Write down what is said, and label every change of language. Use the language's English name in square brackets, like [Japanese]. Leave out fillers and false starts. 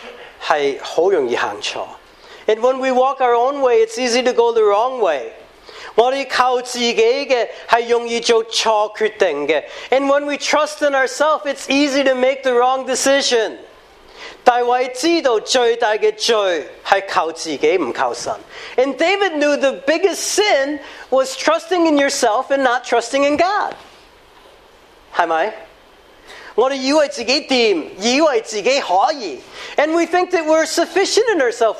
[Chinese] 他行的路,行自己的路,是很容易行错。 [English] And when we walk our own way, it's easy to go the wrong way. [Chinese] 我们靠自己的,是容易做错决定的。 [English] And when we trust in ourselves, it's easy to make the wrong decision. [Chinese] 大卫知道最大的罪是靠自己不靠神。 [English] And David knew the biggest sin was trusting in yourself and not trusting in God. [Chinese] 是吗? 我们以为自己行,以为自己可以。 [English] And we think that we're sufficient in ourselves.